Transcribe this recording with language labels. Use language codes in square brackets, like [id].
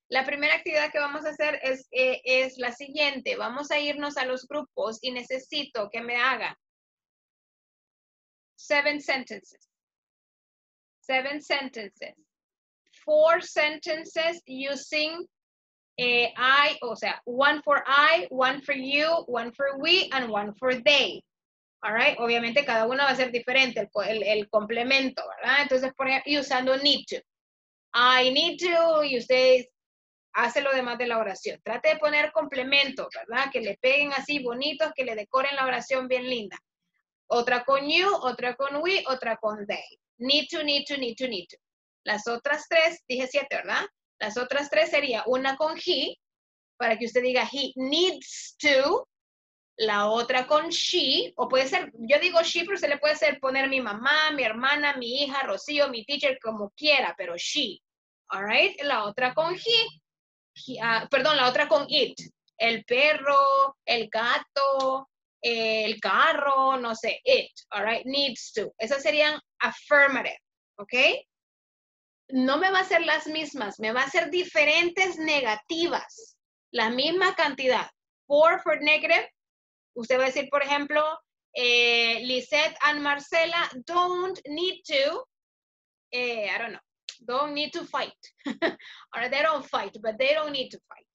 [es] La primera actividad que vamos a hacer es la siguiente. Vamos a irnos a los grupos y necesito que me haga [en] 7 sentences. 7 sentences. 4 sentences using I, [es] o sea, [en] 1 for I, 1 for you, 1 for we, and 1 for they. All right? [es] Obviamente cada una va a ser diferente, el complemento, ¿verdad? Entonces, por ejemplo, y usando need to. [en] I need to, [es] y ustedes hacen lo demás de la oración. Trate de poner complemento, ¿verdad? Que le peguen así bonitos, que le decoren la oración bien linda. Otra con [en] you, [es] otra con [en] we, otra con they. Need to, need to, need to, need to. [es] Las otras tres, dije 7, ¿verdad? Las otras tres sería una con he, para que usted diga [en] he needs to. [es] La otra con she, o puede ser, yo digo she, pero se le puede hacer poner mi mamá, mi hermana, mi hija, Rocío, mi teacher, como quiera, pero she. [en] All right? [es] La otra con la otra con it. El perro, el gato, el carro, no sé, it. [en] All right? Needs to. [es] Esas serían [en] affirmative. [es] ¿Ok? No me va a hacer las mismas, me va a hacer diferentes negativas. La misma cantidad. [en] 4 for negative. [es] Usted va a decir, por ejemplo, [en] Lisette and Marcela don't need to, I don't know, don't need to fight. Or they don't fight, but they don't need to fight.